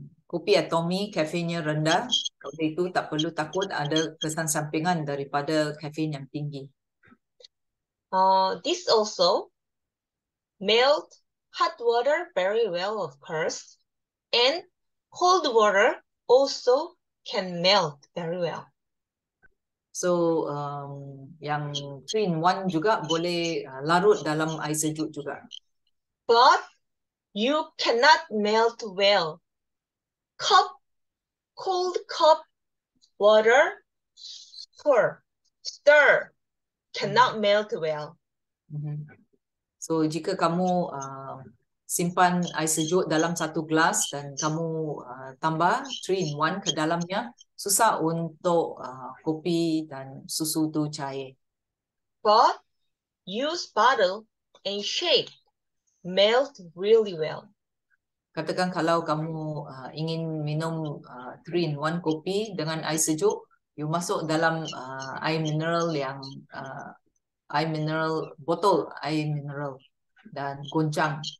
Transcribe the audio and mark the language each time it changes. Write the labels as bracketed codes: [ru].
[ms] Kopi Atomi kafeinnya rendah, oleh itu tak perlu takut ada kesan sampingan daripada kafein yang tinggi. [en] This also melt hot water very well, of course, and cold water also can melt very well. [ms] So, yang 3-in-1 juga boleh larut dalam air sejuk juga. [en] But you cannot melt well. Cold cup water, pour, stir, cannot melt well. [ms] So jika kamu simpan air sejuk dalam satu gelas dan kamu tambah 3-in-1 ke dalamnya, susah untuk kopi dan susu tu cair. [en] But use bottle and shake. Melt really well. [ms] Katakan kalau kamu ingin minum 3-in-1 kopi dengan air sejuk, you masuk dalam air mineral yang air mineral botol air mineral dan goncang.